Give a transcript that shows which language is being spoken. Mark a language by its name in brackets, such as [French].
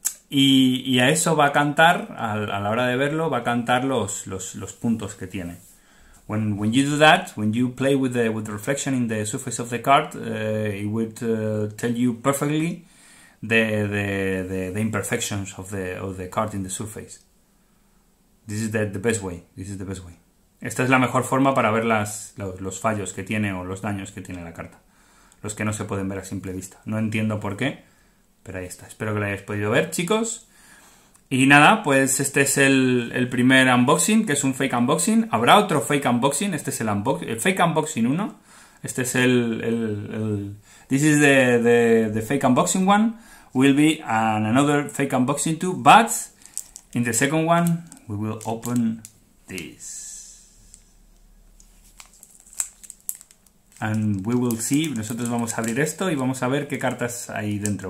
[Spanish] y a eso va a cantar, a la hora de verlo, va a cantar los puntos que tiene. [English] When you do that, when you play with the reflection in the surface of the card, it would tell you perfectly the imperfections of the card in the surface. This is the best way. This is the best way. [Spanish] Esta es la mejor forma para ver los fallos que tiene o los daños que tiene la carta. Los que no se pueden ver a simple vista. No entiendo por qué, pero ahí está. Espero que lo hayáis podido ver, chicos. Y nada, pues este es el primer unboxing, que es un fake unboxing. Habrá otro fake unboxing. Este es el fake unboxing 1. Este es el [English] this is the fake unboxing 1. Will be another fake unboxing 2. But in the second one, we will open this. And we will see. [Spanish] Nosotros vamos a abrir esto y vamos a ver qué cartas hay dentro.